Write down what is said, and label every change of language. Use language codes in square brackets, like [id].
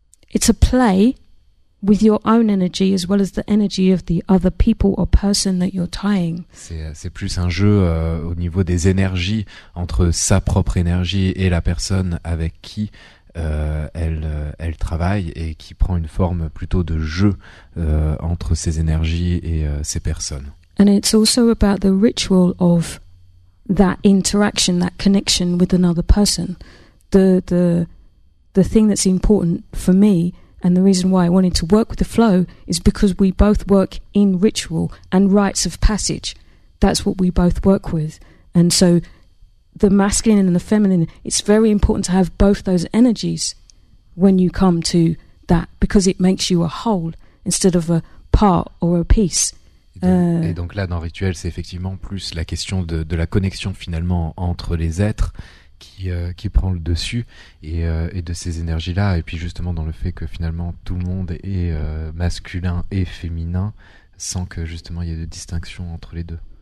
[en] It's a play with your own energy as well as the energy of the other people or person that you're tying. [fr] C'est plus un jeu au niveau des énergies, entre sa propre énergie et la personne avec qui elle travaille, et qui prend une forme plutôt de jeu entre ses énergies et ses personnes. [en] And it's also about the ritual of that interaction, that connection with another person. The thing that's important for me, and the reason why I wanted to work with the flow, is because we both work in ritual and rites of passage. That's what we both work with. And so the masculine and the feminine, it's very important to have both those energies when you come to that, because it makes you a whole instead of a part or a piece. [fr] Et donc là, dans Rituel, c'est effectivement plus la question de la connexion finalement entre les êtres qui prend le dessus, et de ces énergies là et puis justement dans le fait que finalement tout le monde est masculin et féminin, sans que justement il y ait de distinction entre les deux.